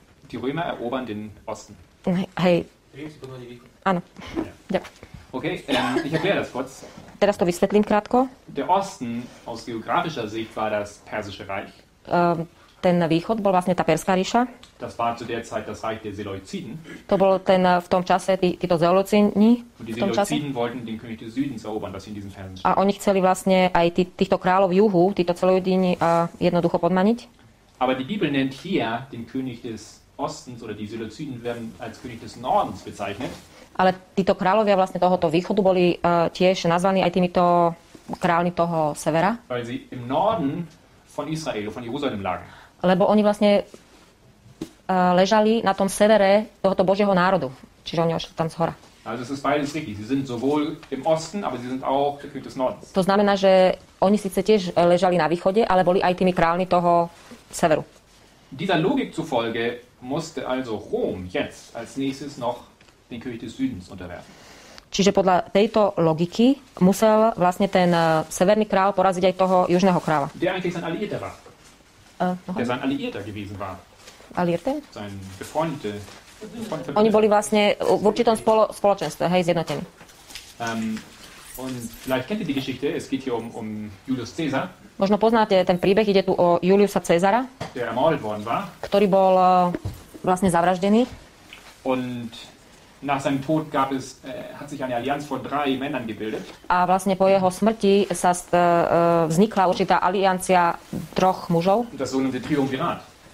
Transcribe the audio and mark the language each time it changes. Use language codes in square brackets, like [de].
[de] Die Römer erobern den Osten. [sk] Hej. Áno. Ja. Ďakujem. [de] Okay, ich erkläre das kurz. [sk] Teraz to vysvetlím krátko. [de] Der Osten aus geografischer Sicht war das Persische Reich. [sk] Ten východ bol vlastne tá Perská ríša. [de] Das war zu der Zeit das Reich der Seleuziden. [sk] To bol ten v tom čase títo Seleuziden. [de] Und die Seleuziden wollten den König des Südens erobern, was in diesen Versen steht. [sk] A oni chceli vlastne aj týchto kráľov juhu, títo Seleuziden jednoducho podmaniť. [de] Aber die Bibel nennt hier den König des Ostens oder die Seleuziden werden als König des Nordens bezeichnet. [sk] Ale títo kráľovia vlastne tohoto východu boli tiež nazvaní aj týmito kráľmi toho severa. [de] Weil sie im Norden von Israel, von Jerusalem lagen. [sk] Lebo oni vlastne ležali na tom severe tohoto Božieho národu. Čiže oni ošli tam z hora. [de] Also es ist beides richtig. Sie sind sowohl im Osten, aber sie sind auch der König des Nordens. [sk] To znamená, že oni síce tiež ležali na východe, ale boli aj tými králmi toho severu. [de] Dieser Logik zufolge musste also Rom jetzt als nächstes noch den König des Südens unterwerfen. [sk] Čiže podľa tejto logiky musel vlastne ten severný král poraziť aj toho južného kráľa. [de] Der eigentlich sein Alliierter war. Der sein Alliierter gewesen war. Alliierter? Sein befreundete. [sk] Oni boli vlastne v určitom spoločenstve, hej, zjednotení. [de] Und vielleicht kennt ihr die Geschichte, es geht hier um Julius Caesar. [sk] Možno poznáte ten príbeh, ide tu o Juliusa Cezara, [de] der ermordet worden war, [sk] ktorý bol vlastne zavraždený. [de] Und nach seinem Tod gab es hat sich eine Allianz von drei Männern gebildet. [sk] A vlastne po jeho smrti sa vznikla určitá aliancia troch mužov. [de] Das sogenannte Triumvirat.